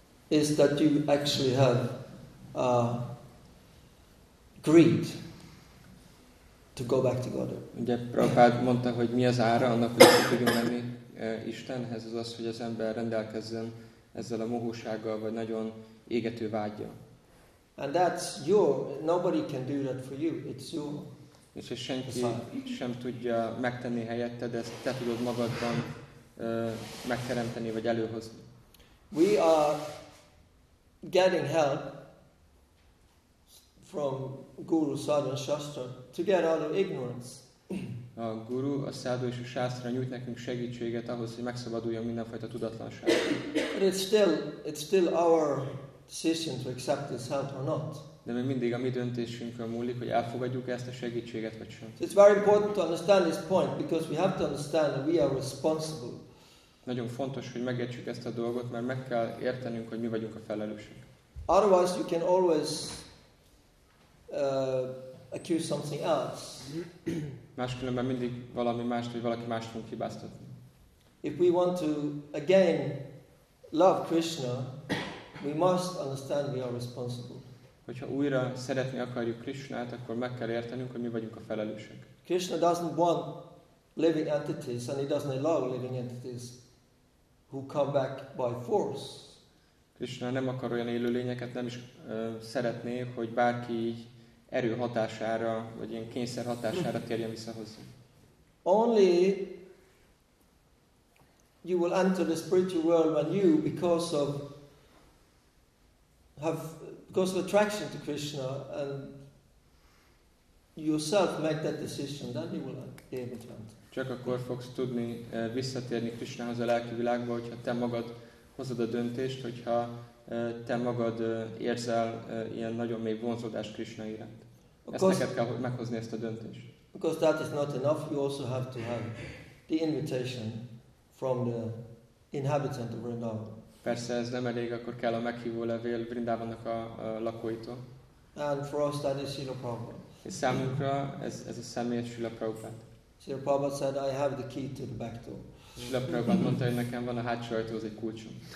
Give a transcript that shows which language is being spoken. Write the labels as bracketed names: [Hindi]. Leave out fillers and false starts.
[English] Is that you actually have greed to go back to God? [Hungarian] Ugye Prabhupád mondta, hogy mi az ára annak, hogy tudjunk menni Istenhez, az az, hogy az ember rendelkezzen ezzel a mohósággal, vagy nagyon égető vágya. [English] And that's your. Nobody can do that for you. It's your. [Hungarian] És senki sem tudja megtenni helyette, de ezt te tudod magadban megteremteni vagy előhozni. [English] We are getting help from Guru, Sadhu, Shastra to get out of ignorance. [Hungarian] A Guru, a Sadhu és a Shastra nyújt nekünk segítséget ahhoz, hogy megszabaduljon mindenfajta tudatlanságtól. [English] But it's still our decision to accept this help or not. [Hungarian] De még mindig a mi döntésünkön múlik, hogy elfogadjuk ezt a segítséget vagy sem. [English] It's very important to understand this point because we have to understand that we are responsible. [Hungarian] Nagyon fontos, hogy megértsük ezt a dolgot, mert meg kell értenünk, hogy mi vagyunk a felelősek. [English] Otherwise you can always accuse something else. [Hungarian] Máskülönben mindig valami mást, vagy valaki mást fogunk hibáztatni. [English] If we want to again love Krishna, we must understand we are responsible. [Hungarian] Hogyha újra szeretni akarjuk Krishnát, akkor meg kell értenünk, hogy mi vagyunk a felelősek. [English] Krishna doesn't want living entities, and he doesn't allow living entities who come back by force. [Hungarian] Krishna nem akar olyan élőlényeket, nem is szeretné, hogy bárki így erő hatására, vagy ilyen kényszer hatására térjen vissza hozzá. [English] Only you will enter the spiritual world when you, because of attraction to Krishna, and yourself make that decision, then you will be able to enter. [Hungarian] Csak akkor fogsz tudni visszatérni Krishnához a lelki világba, hogyha te magad hozod a döntést, hogyha te magad érzel ilyen nagyon mély vonzódást Krishna iránt. Ezt neked kell meghozni ezt a döntést. [English] Because that is not enough, you also have to have the invitation from the inhabitant of Vrindavan. [Hungarian] Persze ez nem elég, akkor kell a meghívó levél Vrindavannak a lakóitól. [English] And for us that is Srila Prabhupada. [Hungarian] És számunkra ez a személyes Srila Prabhupada. [English] Srila Prabhupada said, I have the key to the back door. [Hungarian] Srila Prabhupada mondta, hogy nekem van a hátsó ajtóhoz egy kulcsom.